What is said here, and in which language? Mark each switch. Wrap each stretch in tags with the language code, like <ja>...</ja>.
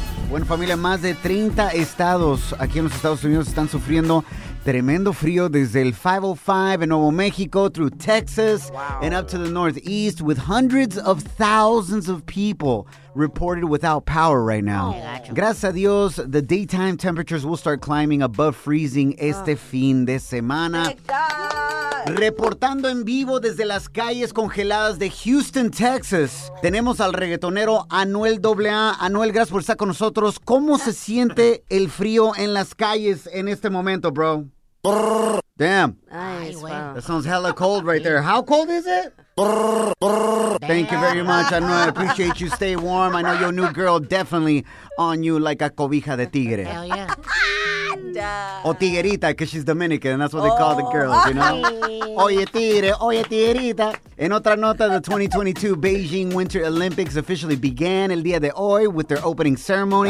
<es>Bueno, familia, más de 30 estados aquí en los Estados Unidos están sufriendo tremendo frío desde el 505 en Nuevo México,</es> <en>through Texas, wow, and up to the northeast, with hundreds of thousands of people reported without power right now.</en> <es>Gracias a Dios,</es> <en>the daytime temperatures will start climbing above freezing</en> <es>este fin de semana. Reportando en vivo desde las calles congeladas de Houston, Texas, tenemos al reggaetonero Anuel AA. Anuel, gracias por estar con nosotros. ¿Cómo se siente el frío en las calles en este momento, bro?</es> <en>Damn. Ay, that sounds hella cold right there. How cold is it? Thank you very much, Anuel. I appreciate you. Stay warm. I know your new girl definitely on you like a</en> <es>cobija de tigre.</es> <en>Hell yeah.</en> <es>O tiguerita,</es> <en>because she's Dominican, and that's what they call the girls, you know?</en> <es>Oye, tigre. Oye, tiguerita. En otra nota,</es> <en>the 2022 Beijing Winter Olympics officially began</en> <es>el día de hoy</es> <en>with their opening ceremony.</en>